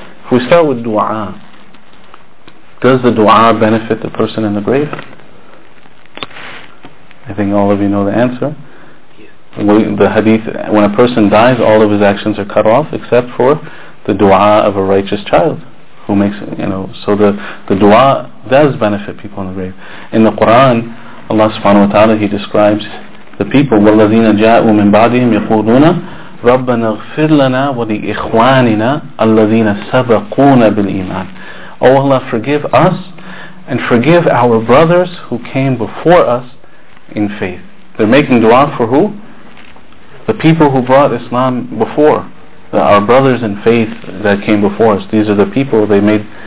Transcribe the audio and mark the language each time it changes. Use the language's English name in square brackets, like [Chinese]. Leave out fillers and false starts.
[English] If we start with dua, does the dua benefit the person in the grave? I think all of you know the answer. Yes. The hadith, when a person dies, all of his actions are cut off except for the dua of a righteous child who makes, you know, so the dua does benefit people in the grave. In the Quran, Allah subhanahu wa ta'ala, he describes the people, [Arabic] وَالَّذِينَ جَاءُوا مِنْ بَعْدِهِمْ يَقُولُونَ رَبَّنَا اغْفِرْ لَنَا وَلِإِخْوَانِنَا الَّذِينَ سَبَقُونَ بِالْإِيمَانِ. [English] O Allah, forgive us and forgive our brothers who came before us in faith. They're making dua for who? The people who brought Islam before. Our brothers in faith that came before us. These are the people they made.